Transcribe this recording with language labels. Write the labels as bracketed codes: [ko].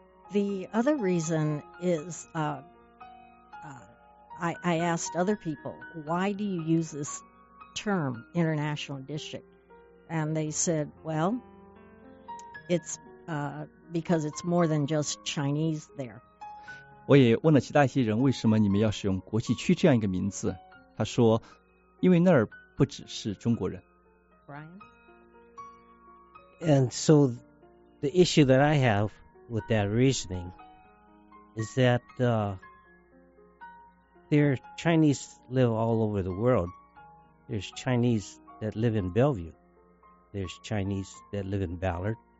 [en] The other reason is, I asked other people, why do you use this term, international district? And they said, well, it's because it's more than just Chinese there. [zh] 我也问了其他一些人，为什么你们要使用国际区这样一个名字？他说，因为那儿不只是中国人。 [en] Brian? And so the issue that I have with that reasoning is that there are Chinese live all over the world. There's Chinese that live in Bellevue. There's Chinese that live in Ballard.